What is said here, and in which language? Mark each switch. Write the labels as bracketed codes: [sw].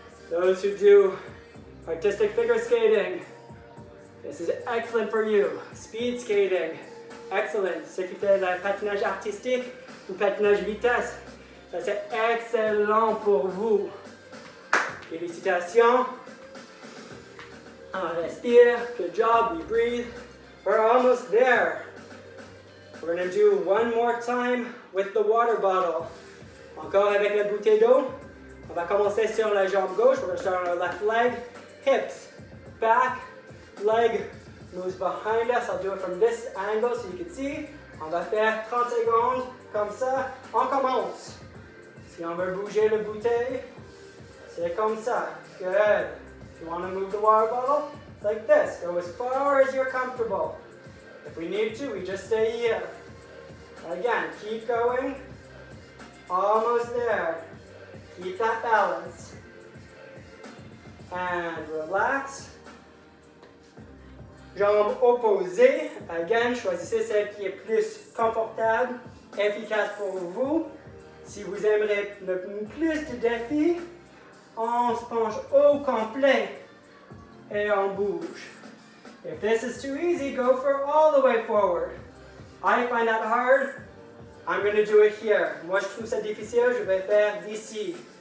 [en] Those who do artistic figure skating, this is excellent for you. Speed skating, excellent. [fr] Ceux qui font le patinage artistique ou patinage vitesse, ça c'est excellent pour vous. Félicitations. On respire, [en] good job, we breathe. We're almost there. We're gonna do one more time with the water bottle. [fr] Encore avec la bouteille d'eau. On va commencer sur la jambe gauche, [en] we're gonna start on our left leg. Hips, back, leg moves behind us. I'll do it from this angle so you can see. [fr] On va faire 30 secondes, comme ça. On commence. Si on veut bouger la bouteille, c'est comme ça. [en] Good. You want to move the water bottle? It's like this. Go as far as you're comfortable. If we need to, we just stay here. Again, keep going. Almost there. Keep that balance. And relax. [fr] Jambe opposée. Again, choisissez celle qui est plus confortable, efficace pour vous. Si vous aimerez le plus de défis, on se penche au complet. Et on bouge. [en] If this is too easy, go for all the way forward. I find that hard, I'm gonna do it here. [fr] Moi, je trouve ça difficile, je vais faire d'ici.